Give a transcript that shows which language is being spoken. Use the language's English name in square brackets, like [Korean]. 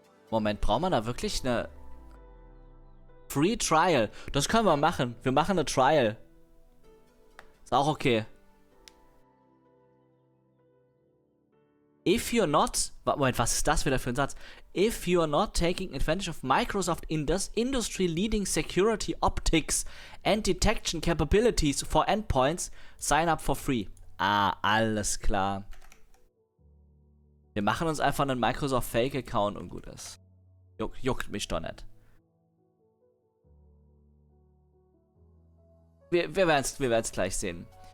[German] Moment, braucht man da wirklich eine Free Trial? Das können wir machen. Wir machen eine Trial. Ist auch okay. [English] If you're not, [German] Moment, was ist das wieder für ein Satz? [English] If you're not taking advantage of Microsoft industry leading security optics and detection capabilities for endpoints, sign up for free. [German] Ah, alles klar. Wir machen uns einfach einen Microsoft Fake Account und gut ist. Juckt mich doch nicht. Wir werden es gleich sehen.